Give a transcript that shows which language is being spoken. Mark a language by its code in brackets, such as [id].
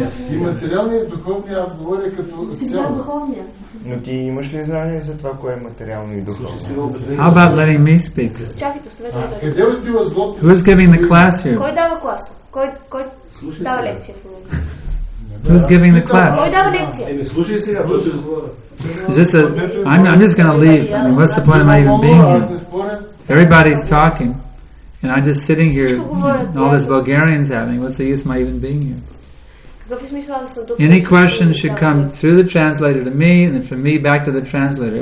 [bg] И материалния и духовния, аз говоря като цяло. Но ти имаш ли знание за това, кое е материално и духовно? [en] How about letting me speak? [bg] Чакайте, оставете да дойде. [en] Who's giving the class here? [bg] Кой дава клас? Кой дава лекция в момента? [en] Who's giving the class? [bg] Кой дава лекция? Еми, слушай сега, той ще говоря. [en] I'm just going to leave. I mean, what's the point of my even being here? Everybody's talking. And I'm just sitting here, all this Bulgarian's happening, what's the use of my even being here? Any question should come through the translator to me, and then from me back to the translator.